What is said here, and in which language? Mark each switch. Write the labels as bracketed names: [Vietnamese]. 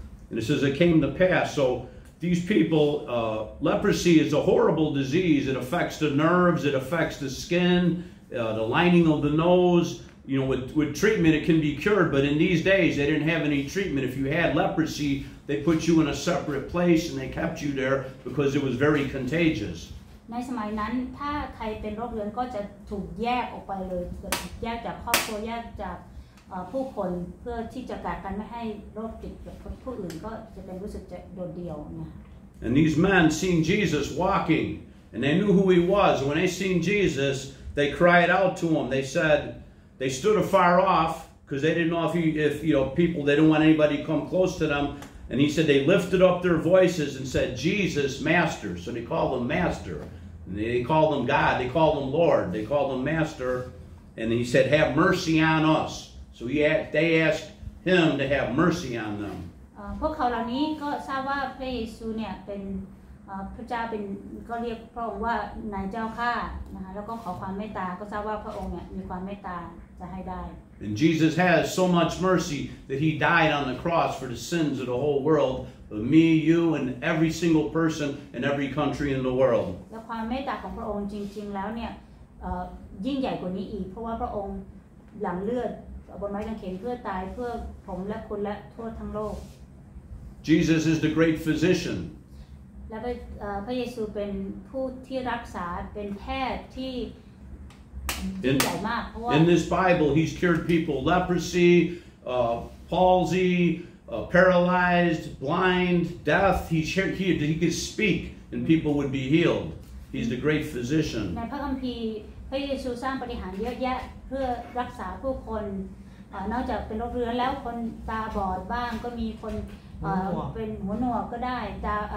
[English] And it says it came to pass. So these people, leprosy is a horrible disease. It affects the nerves. It affects the skin, the lining of the nose. You know, with treatment, it can be cured. But in these days, they didn't have any treatment. If you had leprosy, they put you in a separate place and they kept you there because it was very contagious. [Thai] ในสมัยนั้นถ้าใครเป็นโรคเรื้อนก็จะถูกแยกออกไปเลยถูกแยกจากครอบครัวแยกจากผู้คนเพื่อที่จะกักกันไม่ให้โรคติดกับผู้อื่นก็จะเป็นรู้สึกจะโดดเดี่ยวเนี่ย [English] And these men seen Jesus walking and they knew who he was when they seen Jesus they cried out to him they said they stood afar off because they didn't know if you know people they didn't want anybody to come close to them and he said they lifted up their voices and said Jesus master so they called him master and they called him God they called him Lord they called him master and he said have mercy on usSo they asked him to have mercy on them. [Thai] พวกเขาเหล่านี้ก็ทราบว่าพระเยซูเนี่ยเป็นพระเจ้าเป็นก็เรียกพระองค์ว่านายเจ้าข้านะคะแล้วก็ขอความเมตตาก็ทราบว่าพระองค์เนี่ยมีความเมตตาจะให้ได้ [English] And Jesus has so much mercy that he died on the cross for the sins of the whole world, me, you, and every single person in every country in the world. [Thai] แล้วความเมตตาของพระองค์จริงๆแล้วเนี่ยยิ่งใหญ่กว่านี้อีกเพราะว่าพระองค์หลั่งเลือดบนไม้กางเขนเพื่อตายเพื่อผมและคุณและทั่วทั้งโลก [English] Jesus is the great physician. [Thai] แล้วพระเยซูเป็นผู้ที่รักษาเป็นแพทย์ที่ใหญ่มากเพราะว่า [English] In this Bible he's cured people leprosy, palsy, paralyzed, blind, deaf. He could speak and people would be healed. He's the great physician. [Thai] ในพระคัมภีร์พระเยซูสร้างปฏิหาริย์เยอะแยะเพื่อรักษาผู้คนนอกจากเป็นโรคเรื้อนแล้วคนตาบอดบ้างก็มีคนเป็นหัวหนวกก็ได้ตา